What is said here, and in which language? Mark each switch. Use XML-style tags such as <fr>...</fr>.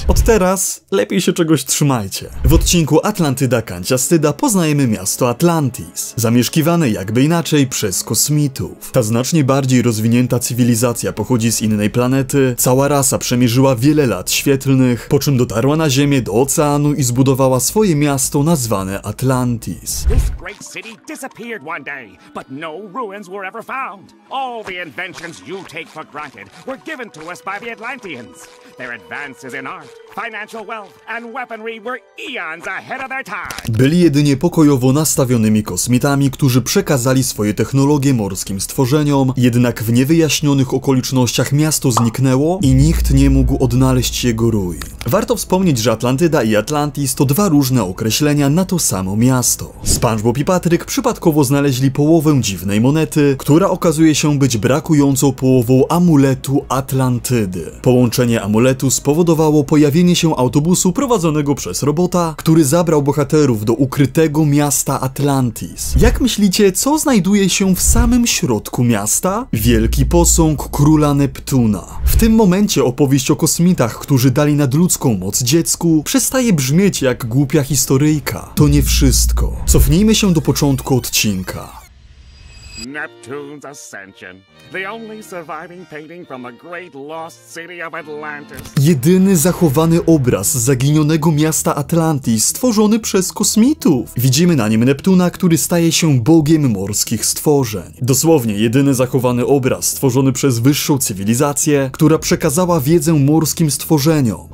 <pl>Od teraz lepiej się czegoś trzymajcie. W odcinku Atlantyda Kancia Styda poznajemy miasto Atlantis, zamieszkiwane jakby inaczej przez kosmitów. Ta znacznie bardziej rozwinięta cywilizacja pochodzi z innej planety, cała rasa przemierzyła wiele lat świetlnych, po czym dotarła na Ziemię do oceanu i zbudowała swoje miasto nazwane Atlantis.</pl> <en>This great city disappeared one day, but no ruins were ever found. All the inventions you take for granted were given to us by the Atlanteans. Their advances in art, financial wealth and weaponry were eons ahead of their time.</en> <pl>Byli jedynie pokojowo nastawionymi kosmitami, którzy przekazali swoje technologie morskim stworzeniom, jednak w niewyjaśnionych okolicznościach miasto zniknęło i nikt nie mógł odnaleźć jego ruin. Warto wspomnieć, że Atlantyda i Atlantis to dwa różne określenia na to samo miasto. SpongeBob i Patryk przypadkowo znaleźli połowę dziwnej monety, która okazuje się być brakującą połową amuletu Atlantydy. Połączenie amuletu spowodowało pojawienie się autobusu prowadzonego przez robota, który zabrał bohaterów do ukrytego miasta Atlantis. Jak myślicie, co znajduje się w samym środku miasta? Wielki posąg króla Neptuna. W tym momencie opowieść o kosmitach, którzy dali nadludzką moc dziecku, przestaje brzmieć jak głupia historyjka. To nie wszystko. Cofnijmy się do początku odcinka.</pl> <en>Neptune's Ascension, the only surviving painting from the great lost city of Atlantis.</en> <pl>Jedyny zachowany obraz zaginionego miasta Atlantis stworzony przez kosmitów. Widzimy na nim Neptuna, który staje się bogiem morskich stworzeń. Dosłownie jedyny zachowany obraz stworzony przez wyższą cywilizację, która przekazała wiedzę morskim stworzeniom.</pl>